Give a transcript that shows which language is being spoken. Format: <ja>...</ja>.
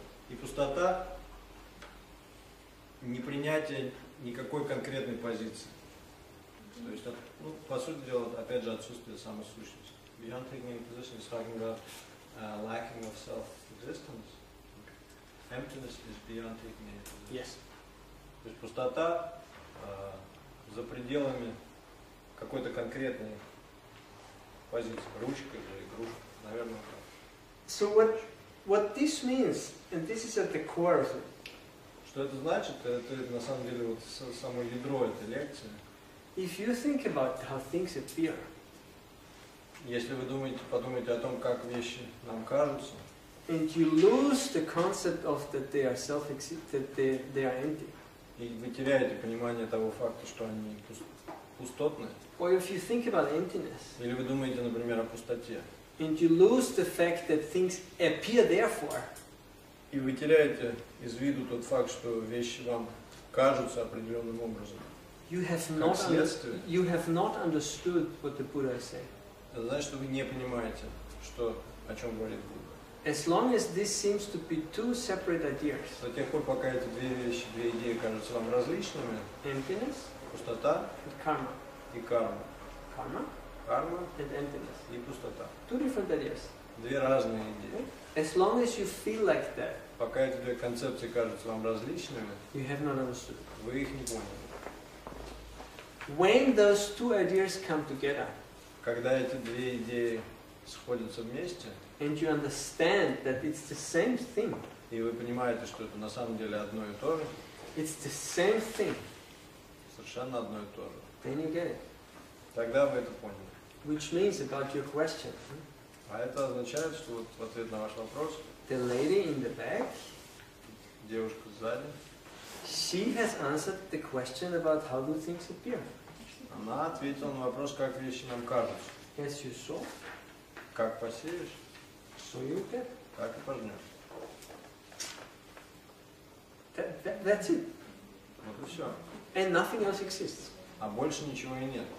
<ru>И пустота непринятия никакой конкретной позиции. То есть, ну, по сути дела, опять же, отсутствие самосущности.</ru> <en>Beyond taking any position is talking about lacking of self-existence. Emptiness is beyond taking any position. Yes.</en> <ru>То есть пустота за пределами какой-то конкретной позиции. Ручка или игрушка, наверное, так.</ru> <en>So what this means, and this is at the core of it.</en> <ru>Что это значит? Это на самом деле вот само ядро этой лекции.</ru> <en>If you think about how things appear.</en> <ru>Если вы думаете, подумайте о том, как вещи нам кажутся.</ru> <en>And you lose the concept of that they are self-existent, that they are empty.</en> <ru>И вы теряете понимание того факта, что они пустотные.</ru> <en>Or if you think about emptiness.</en> <ru>Или вы думаете, например, о пустоте.</ru> <en>And you lose the fact that things appear therefore.</en> <ru>И вы теряете из виду тот факт, что вещи вам кажутся определенным образом.</ru> <en>You have not</en> <ru>следствие.</ru> <en>You have not understood what the Buddha is saying.</en> <ru>Это значит, что вы не понимаете, что о чем говорит Будда.</ru> <en>As long as this seems to be two separate ideas.</en> <ru>До тех пор, пока эти две вещи, две идеи кажутся вам различными.</ru> <en>Emptiness.</en> <ru>Пустота.</ru> <en>And karma.</en> <ru>И карма.</ru> <en>Karma.</en> <ru>Карма</ru> <en>and emptiness.</en> <ru>И пустота.</ru> <en>Two different ideas.</en> <ru>Две разные идеи.</ru> <en>As long as you feel like that.</en> <ru>Пока эти две концепции кажутся вам различными.</ru> <en>You have not understood.</en> <ru>Вы их не поняли.</ru> <en>When those two ideas come together.</en> <ru>Когда эти две идеи сходятся вместе.</ru> <en>And you understand that it's the same thing.</en> <ru>И вы понимаете, что это на самом деле одно и то же.</ru> <en>It's the same thing.</en> <ru>Совершенно одно и то же.</ru> <en>Then you get it.</en> <ru>Тогда вы это поняли.</ru> <en>Which means about your question.</en> <ru>А это означает, что вот в ответ на ваш вопрос.</ru> <en>The lady in the back.</en> <ru>Девушка сзади.</ru> <en>She has answered the question about how do things appear.</en> <ru>Она ответила на вопрос, как вещи нам кажутся.</ru> <en>As you sow.</en> <ru>Как посеешь.</ru> <en>So you get.</en> <ru>Так и пожнешь.</ru> <en>That's it.</en> <ru>Вот и все.</ru> <en>And nothing else exists.</en> <ru>А больше ничего и нет.</ru>